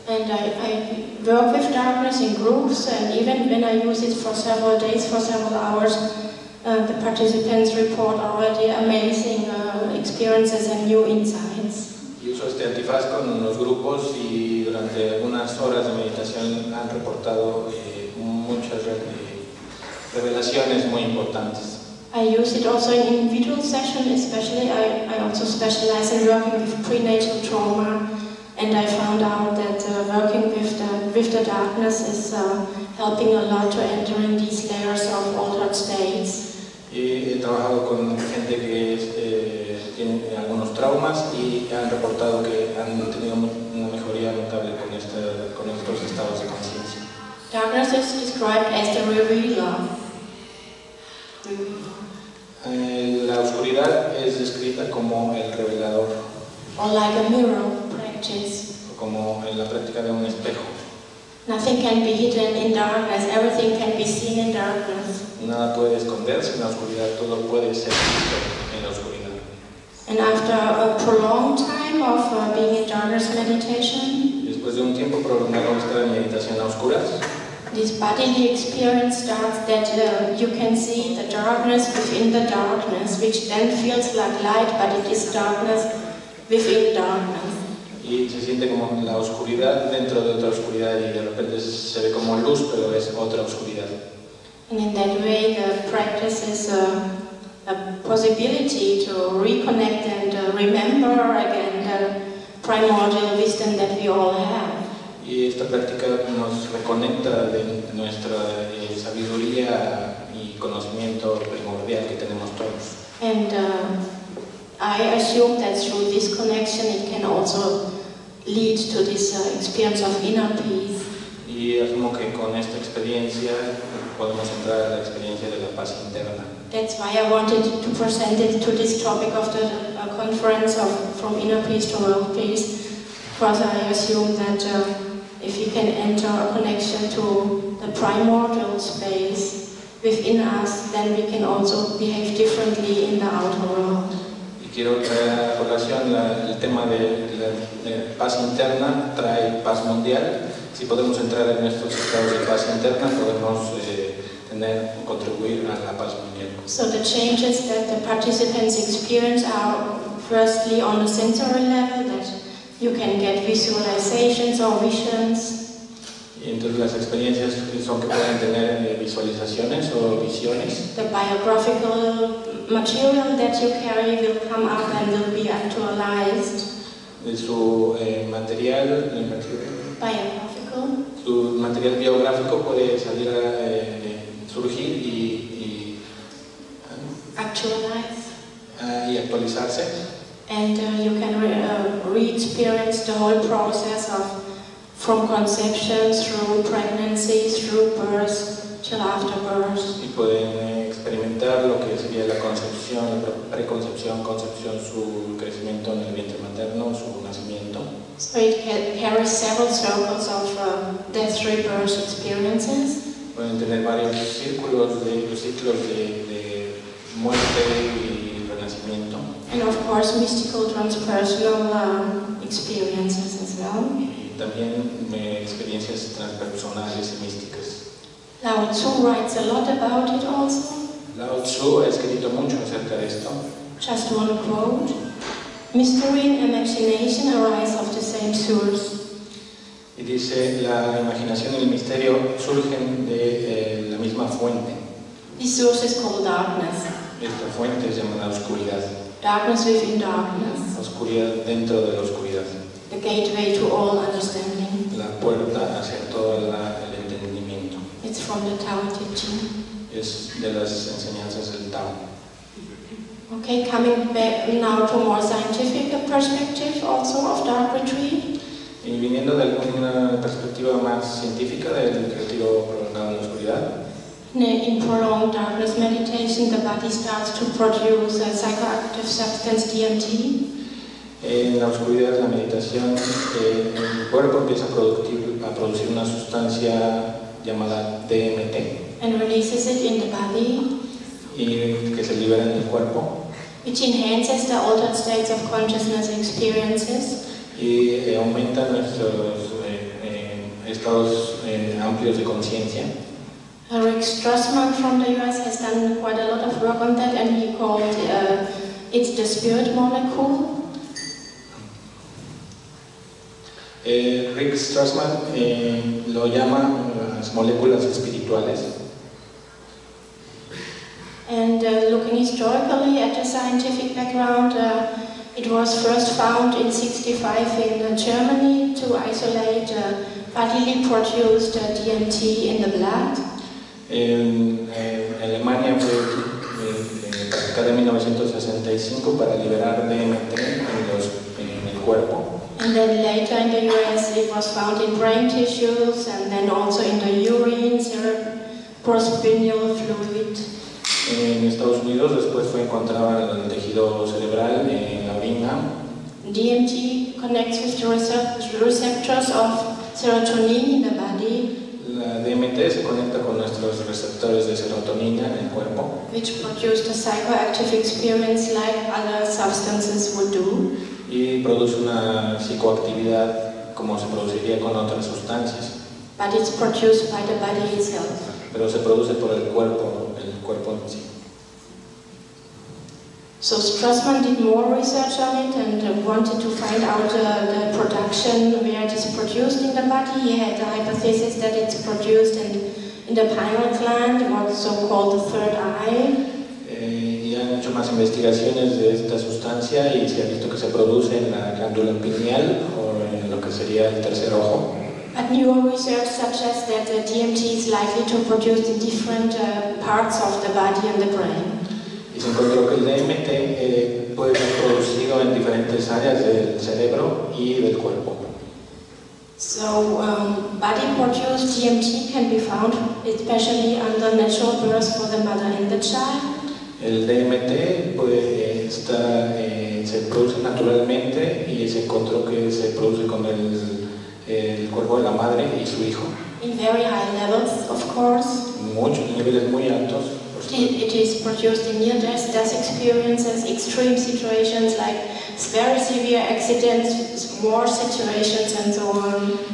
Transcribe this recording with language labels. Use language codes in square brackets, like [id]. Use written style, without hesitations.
[en] And I work with darkness in groups, and even when I use it for several days, for several hours, the participants report already amazing experiences and new insights. [es] Y uso este antifaz con los grupos y durante algunas horas de meditación han reportado muchas revelaciones muy importantes. [en] I use it also in individual sessions, especially I also specialize in working with prenatal trauma, and I found out that working with the darkness is helping a lot to entering these layers of altered states. [es] Y he trabajado con gente que tiene algunos traumas y han reportado que han tenido una mejoría notable con con estos estados de conciencia. [en] Darkness is described as the revealer. [es] La oscuridad es descrita como el revelador. [en] Or like a mirror practice. [es] O como en la práctica de un espejo. [en] Nothing can be hidden in darkness. Everything can be seen in darkness. [es] Nada puede esconderse en la oscuridad, todo puede ser visto en la oscuridad. [en] And after a prolonged time of being in darkness meditation, [es] después de un tiempo prolongado de estar en meditación a oscuras, [en] this bodily experience starts that you can see the darkness within the darkness, which then feels like light, but it is darkness within darkness. [es] Y se siente como la oscuridad dentro de otra oscuridad y de repente se ve como luz, pero es otra oscuridad. [en] And in that way, the practice is a possibility to reconnect and remember again the primordial wisdom that we all have. [es] Y esta práctica nos reconecta de nuestra sabiduría y conocimiento primordial que tenemos todos. [en] And I assume that through this connection, it can also lead to this experience of inner peace. [es] Y asumo que con esta experiencia podemos entrar a la experiencia de la paz interna. [en] That's why I wanted to present it to this topic of the conference of From Inner Peace to World Peace, because I assume that if we can enter a connection to the primordial space within us, then we can also behave differently in the outer world. [es] Y quiero traer a colación el tema de la paz interna trae paz mundial. Si podemos entrar en estos estados de paz interna, podemos contribuir a la paz mundial. [en] So the changes that the participants experience are firstly on a sensory level, that you can get visualizations or visions. [es] Y entonces las experiencias son que pueden tener visualizaciones o visiones. [en] The biographical material that you carry will come up and will be actualized. [es] De su material, el material. Su material biográfico puede salir a surgir y actualizarse. [en] And you can re-experience the whole process of from conception through pregnancy through birth. till afterwards. [es] Y pueden experimentar lo que sería la concepción, la preconcepción, concepción, su crecimiento en el vientre materno, su nacimiento. [en] So it can carry several circles of death, rebirth experiences. [es] Pueden tener varios círculos de ciclos de muerte y renacimiento. [en] And of course, mystical transpersonal experiences as well. [es] También experiencias transpersonales y místicas. [en] Lao Tzu writes a lot about it also. [es] Lao Tzu ha escrito mucho acerca de esto. [en] Just one quote: mystery and imagination arise of the same source. [es] Y dice: la imaginación y el misterio surgen de la misma fuente. [en] This source is called darkness. [es] Esta fuente se llama la oscuridad. [en] Darkness within darkness. [es] Oscuridad dentro de la oscuridad. [en] The gateway to all understanding. [es] La puerta hacia todo el entendimiento. [en] It's from the Tao Te Ching. [es] Es de las enseñanzas del Tao. [en] Okay, coming back now to more scientific perspective also of dark retreat. [es] Y viniendo de alguna perspectiva más científica del retiro prolongado en la oscuridad. [en] In prolonged darkness meditation, the body starts to produce a psychoactive substance DMT. [es] En la oscuridad de la meditación, el cuerpo empieza a producir una sustancia llamada DMT. [en] And releases it in the body. [es] Y que se libera en el cuerpo. [en] Which enhances the altered states of consciousness experiences. [es] Y aumenta nuestros estados amplios de conciencia. [en] Rick Strassman from the US has done quite a lot of work on that, and he called it the spirit molecule. [es] Rick Strassman lo llama las moléculas espirituales. [en] And looking historically at the scientific background, it was first found in 65 in Germany to isolate bodily produced DMT in the blood. [es] En Alemania fue practicada en 1965 para liberar DMT en el cuerpo. [en] And then later in the US it was found in brain tissues and then also in the urine, cerebrospinal fluid. [es] En Estados Unidos después fue encontrada en el tejido cerebral, en la orina. [en] DMT connects with the receptors of serotonin in the body. [es] La DMT se conecta con nuestros receptores de serotonina en el cuerpo. [en] Which produce the psychoactive experience like other substances would do. [es] Y produce una psicoactividad como se produciría con otras sustancias. [en] But it's produced by the body itself. [es] Pero se produce por el cuerpo, en sí. [en] So Strassman did more research on it and wanted to find out the production where it is produced in the body. He had a hypothesis that it's produced in the pineal gland, what's so called the third eye. [es] Y han hecho más investigaciones de esta sustancia y se ha visto que se produce en la glándula pineal o en lo que sería el tercer ojo. [en] But newer research suggests that the DMT is likely to produce in different parts of the body and the brain. [es] Y se encontró que el DMT puede ser producido en diferentes áreas del cerebro y del cuerpo. [en] So, body produced DMT can be found especially under natural births for the mother and the child. [es] El DMT se produce naturalmente y se encontró que se produce con el cuerpo de la madre y su hijo. [en] In very high levels, of course. [es] Muchos niveles muy altos. [en] It is produced in near-death experiences, extreme situations like very severe accidents, war situations, and so on.